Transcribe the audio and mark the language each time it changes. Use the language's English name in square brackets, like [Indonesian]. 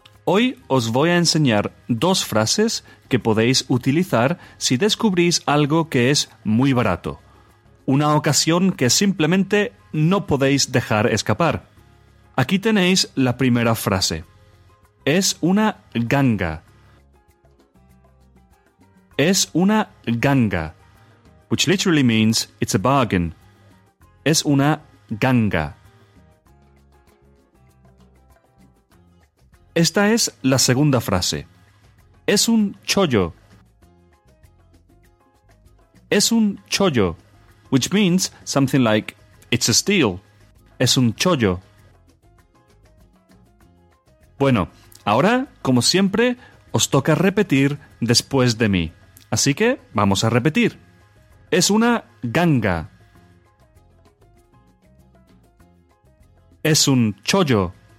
[Spanish] Hoy os voy a enseñar dos frases que podéis utilizar si descubrís algo que es muy barato. Una ocasión que simplemente no podéis dejar escapar. Aquí tenéis la primera frase. Es una ganga. Es una ganga, [English] which literally means it's a bargain. [Spanish] Es una ganga. Esta es la segunda frase. Es un chollo. Es un chollo, [English] which means something like it's a steal. [Spanish] Es un chollo. Bueno, ahora, como siempre, os toca repetir después de mí. Así que vamos a repetir. Es una ganga. Es un chollo.